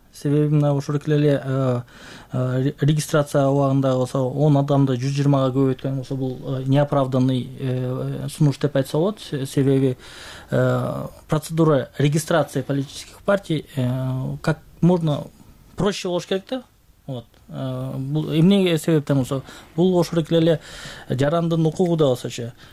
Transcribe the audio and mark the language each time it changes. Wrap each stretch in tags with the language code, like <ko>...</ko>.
<ky>Себеби мына ошолке эле регистрация убагында болсо 10 адамды 120га көбөйткөн болсо бул неоправданный сунуш деп айтса болот.</ky> <ru>Себеби процедура регистрации политических партий как можно проще</ru> <ky>болуш керек да.</ky> <ru>Вот.</ru> <ky>Бул эмне себептен болсо, бул ошолке эле жарандын укугу да болсочу.</ky>